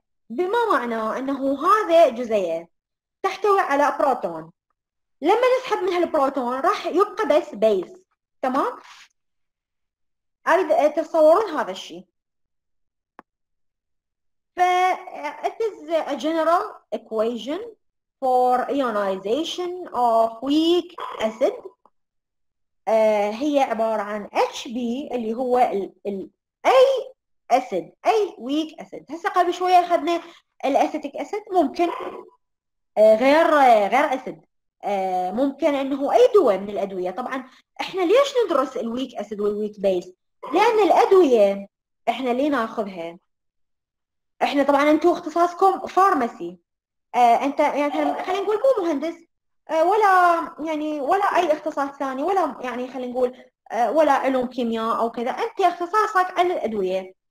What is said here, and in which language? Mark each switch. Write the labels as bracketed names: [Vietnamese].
[Arabic] بما معناه انه هذا جزيئة تحتوي على بروتون، لما نسحب من هالبروتون راح يبقى بس بيس، تمام؟ اريد تتصورون هذا الشيء. [English] ف it is a general equation for ionization of weak acid. [Arabic] هي عبارة عن HB اللي هو ال A أسيد، أي ويك أسيد. هسا قبل شوية أخذنا الأسيتيك أسيد، ممكن غير أسيد، ممكن أنه أي دواء من الأدوية. طبعاً إحنا ليش ندرس الويك أسيد والويك بيس؟ لأن الأدوية إحنا اللي ناخذها، إحنا طبعاً أنتوا اختصاصكم فارماسي، أنت يعني خلينا نقول مو مهندس ولا يعني ولا أي اختصاص ثاني، ولا يعني خلينا نقول ولا علوم كيمياء أو كذا، أنت اختصاصك على الأدوية.